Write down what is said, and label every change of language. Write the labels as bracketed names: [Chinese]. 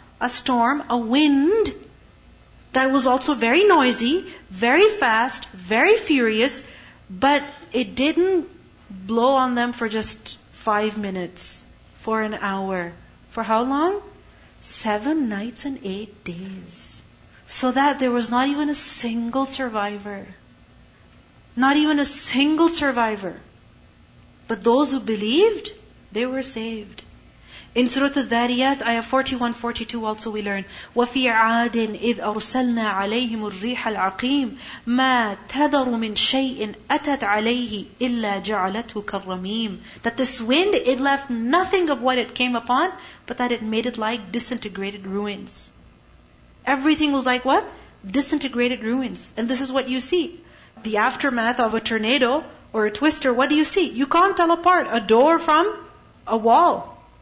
[English] A storm, a wind, that was also very noisy, very fast, very furious, but it didn't blow on them for just 5 minutes, for an hour. For how long? 7 nights and 8 days. So that there was not even a single survivor. Not even a single survivor. But those who believed, they were saved. In Surah Al-Dhariyat, Ayah 41-42 also we learn, [Arabic] وَفِي عَادٍ إِذْ أَرْسَلْنَا عَلَيْهِمُ الرِّيحَ الْعَقِيمِ مَا تَذَرُ مِنْ شَيْءٍ أَتَتْ عَلَيْهِ إِلَّا جَعَلَتْهُ كَالرَّمِيمِ. [English] That this wind, it left nothing of what it came upon, but that it made it like disintegrated ruins. Everything was like what? Disintegrated ruins. And this is what you see. The aftermath of a tornado or a twister, what do you see? You can't tell apart a door from a wall.